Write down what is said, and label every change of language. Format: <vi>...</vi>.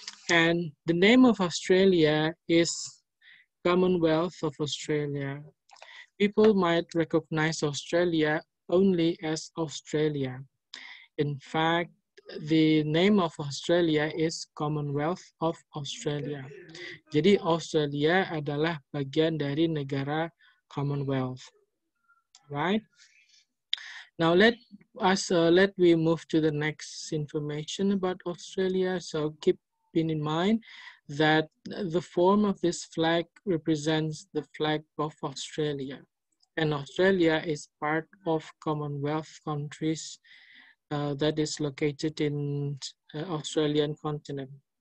<en>And the name of Australia is Commonwealth of Australia. People might recognize Australia only as Australia. In fact, the name of Australia is Commonwealth of Australia.</en> <id>Jadi Australia adalah bagian dari negara Commonwealth.</id> <en>Right? Now let us let we move to the next information about Australia. So keep being in mind that the form of this flag represents the flag of Australia, and Australia is part of Commonwealth countries that is located in Australian continent.</en>